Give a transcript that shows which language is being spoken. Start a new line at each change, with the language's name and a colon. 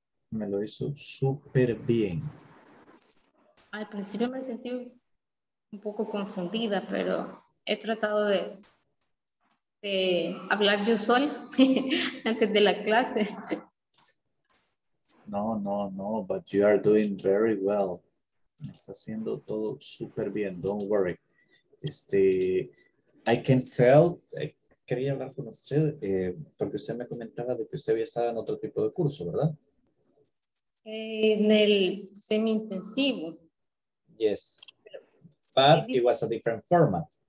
Spanish: Me lo hizo súper bien. Al principio me sentí un poco confundida, pero he tratado de hablar yo sola antes de la clase.
English: No, no, no, but you are doing very well.
Spanish: Está haciendo todo súper bien,
English: don't worry. I can tell,
Spanish: quería hablar con usted, porque usted me comentaba de que usted había estado en otro tipo de curso, ¿verdad? En el semi-intensivo.
English: Yes, but it was a different format.